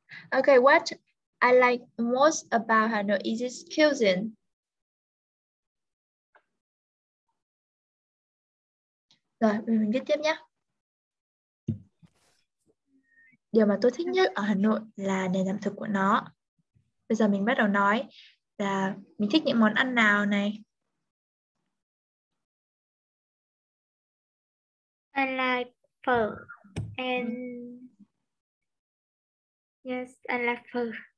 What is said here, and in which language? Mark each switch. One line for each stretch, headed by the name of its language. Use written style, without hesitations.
English: Okay, what I like most about Hanoi is its cuisine.
Vietnamese: Rồi, bây giờ mình viết tiếp nhé. Điều mà tôi thích nhất ở Hà Nội là nền ẩm thực của nó. Bây giờ mình bắt đầu nói là mình thích những món ăn nào này.
English: I like pho and yes, I like pho.